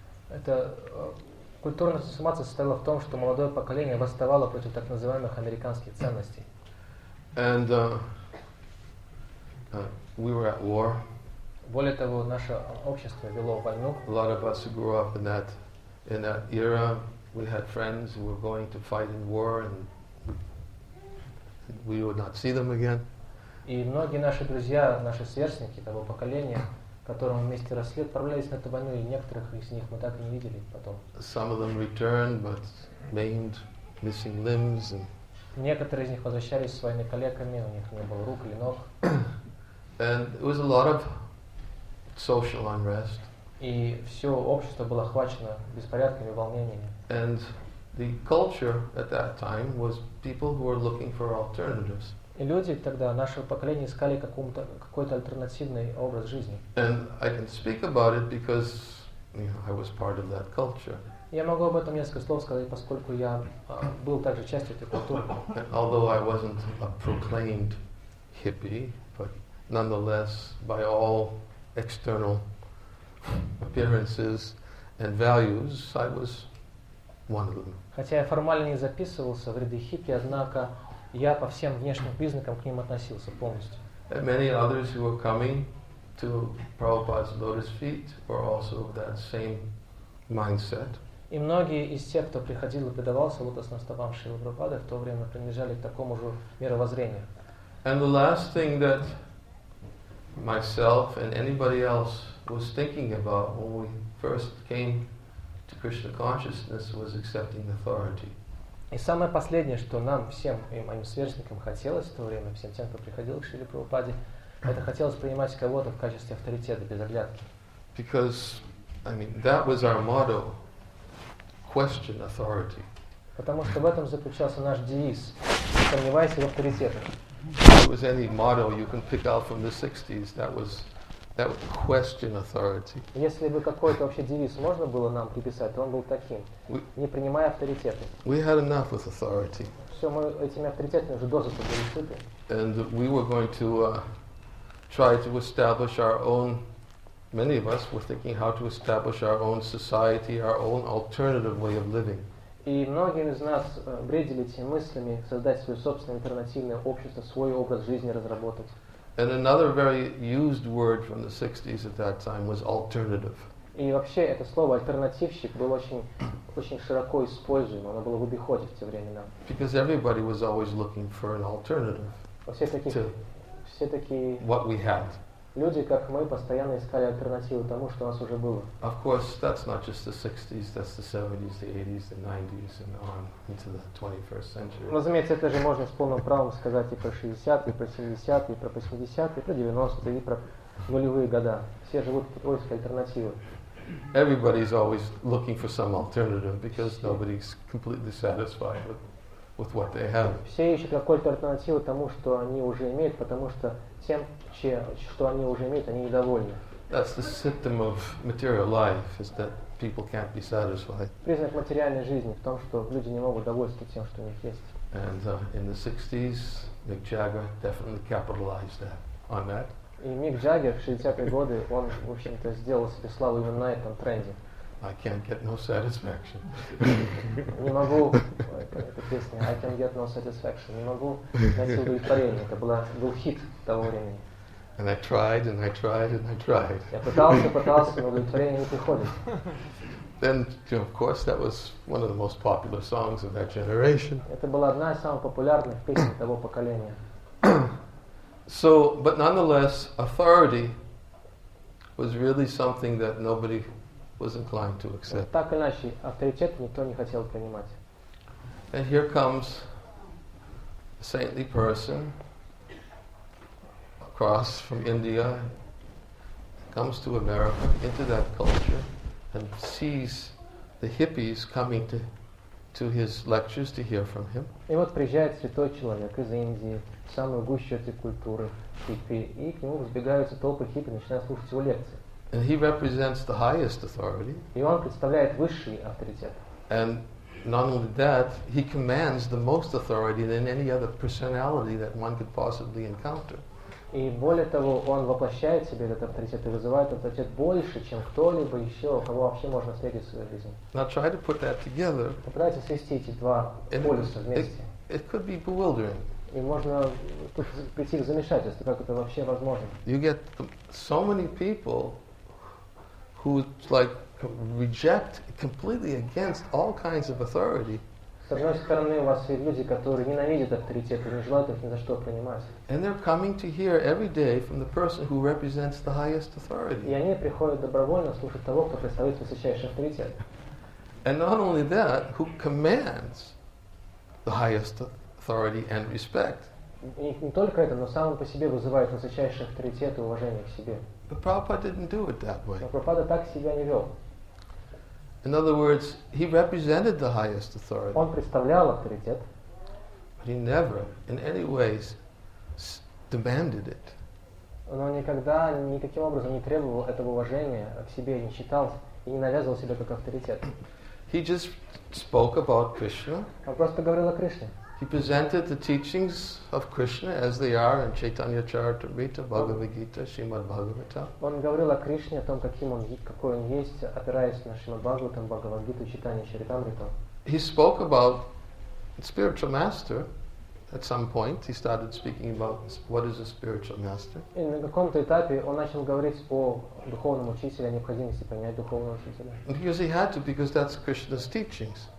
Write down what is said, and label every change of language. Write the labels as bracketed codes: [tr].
[ru] Эта культурная трансформация состояла в том, что молодое поколение восставало против так называемых американских ценностей. [en] And we were at war. [ru] Более того, наше общество вело войну. [en] A lot of us grew up in that In that era, we had friends who were going to fight in war, and we would not see them again. [ru] И многие наши друзья, наши сверстники того поколения, которым мы вместе росли, отправлялись на эту войну, и некоторых из них мы так и не видели потом. [en] Some of them returned, but maimed, missing limbs. And [ru] некоторые из них возвращались с войны калеками, у них не было рук или ног. [en] And it was a lot of social unrest. [ru] И все общество было охвачено беспорядками, волнениями. [en] And the culture at that time was people who were looking for alternatives. [ru] И люди тогда, нашего поколения, искали какой-то альтернативный образ жизни. [en] And I can speak about it because, you know, I was part of that culture. [ru] Я могу об этом несколько слов сказать, поскольку я был также частью этой культуры. [en] Although I wasn't a proclaimed hippie, but nonetheless, by all external appearances and values, I was one of them. [ru] Хотя я формально не записывался в ряды хиппи, однако я по всем внешним признакам к ним относился полностью. [en] And many others who were coming to Prabhupada's lotus feet were also of that same mindset. [ru] И многие из тех, кто приходил и предавался лотосным стопам Шрилы Прабхупады, в то время принадлежали к такому же мировоззрению. [en] And the last thing that myself and anybody else was thinking about when we first came to Krishna consciousness was accepting authority. [ru] И самое последнее, что нам всем и моим сверстникам хотелось в то время, всем тем, кто приходил к Шриле Прабхупаде, это хотелось принимать кого-то в качестве авторитета без оглядки. [en] Because, I mean, that was our motto: question authority. [ru] Потому что в этом заключался наш девиз: сомневайся в авторитетах. [en] It was any motto you can pick out from the 60s that was question authority. [ru] Если бы какой-то вообще девиз можно было нам приписать, то он был таким: не принимая авторитеты. [en] We had enough with authority. [ru] Все, мы этими авторитетами уже дозу перешли. [en] And we were going to try to establish our own. Many of us were thinking how to establish our own society, our own alternative way of living. [ru] И многие из нас бредили этими мыслями создать свое собственное альтернативное общество, свой образ жизни разработать. [en] And another very used word from the 60s at that time was alternative. [ru] И вообще это слово альтернативщик было очень широко используемо, оно было в обиходе в те времена. [en] Because everybody was always looking for an alternative. [ru] Все такие [en] what we had. [ru] Люди, как мы, постоянно искали альтернативу тому, что у нас уже было. [en] Of course, that's not just the 60s, that's the 70s, the 80s, the 90s, and on into the 21st century. [ru] Разумеется, это же можно с полным правом сказать и про 60-е, и про 70-е, и про 80-е, и про 90-е, и про нулевые года. Все живут в поиске альтернативы. [en] Everybody's always looking for some alternative, because nobody's completely satisfied with what they have. [ru] Все ищут какую-то альтернативу тому, что они уже имеют, потому что тем, что они уже имеют, они недовольны. [en] That's the symptom of material life, is that people can't be satisfied. [ru] Признак материальной жизни в том, что люди не могут довольствоваться тем, что у них есть. [en] And in the 60s, Mick Jagger definitely capitalized on that. [ru] И Мик Джаггер в 60-е годы, он, в общем-то, сделал себе славу именно на этом тренде. [en] I can't get no satisfaction. [ru] Не могу, эта песня, [en] I can't get no satisfaction. [ru] Не могу найти удовлетворение. Это был хит того времени. [en] And I tried, and I tried, and I tried. [ru] Я пытался, но удовлетворение не приходит. [en] Then, you know, of course, that was one of the most popular songs of that generation. [ru] Это была одна из самых популярных песен того поколения. [en] So, but nonetheless, authority was really something that nobody was inclined to accept. [ru] Так или иначе, авторитет никто не хотел принимать. [en] And here comes a saintly person across from India, comes to America, into that culture, and sees the hippies coming to his lectures to hear from him. [ru] И вот приезжает святой человек из Индии, самую гущу этой культуры, хиппи, и к нему сбегаются толпы хиппи, начинают слушать его лекции. [en] And he represents the highest authority. [ru] И он представляет высший авторитет. [en] And not only that, he commands the most authority than any other personality that one could possibly encounter. [ru] И более того, он воплощает в себе этот авторитет и вызывает авторитет больше, чем кто-либо еще, кого вообще можно встретить в своей жизни. [en] Now try to put that together. [ru] Попытайтесь свести эти два полюса вместе. [en] It could be bewildering. [ru] И можно тут прийти к замешательству, как это вообще возможно. [en] You get so many people who like reject completely against all kinds of authority. [ru] С одной стороны, у вас есть люди, которые ненавидят авторитет и не желают их ни за что принимать. [en] And they're coming to hear every day from the person who represents the highest authority. [ru] И они приходят добровольно слушать того, кто представляет высочайший авторитет. [en] And not only that, who commands the highest authority and respect. [ru] И не только это, но сам по себе вызывает высочайший авторитет и уважение к себе. [en] But Prabhupada didn't do it that way. [ru] Но Прабхупада так себя не вел. [en] In other words, he represented the highest authority. [ru] Он представлял авторитет. [en] But he never, in any ways, demanded it. [ru] Но никогда никаким образом не требовал этого уважения к себе, не считал и не навязывал себя как авторитет. [en] He just spoke about Krishna. [ru] Он просто говорил о Кришне. [en] He presented the teachings of Krishna as they are in Chaitanya Charitamrita, Bhagavad Gita, Srimad Bhagavatam. [ru] Он говорил о Кришне, о том, каким он, какой он есть, опираясь на Шримад Бхагаватам, Бхагавад Гиту, Чайтанья Чаритамриту. [en] He spoke about spiritual master at some point. He started speaking about what is a spiritual master. [ru] И на каком-то этапе он начал говорить о духовном учителе, о необходимости понять духовного учителя. [en] Because he had to, because that's Krishna's teachings.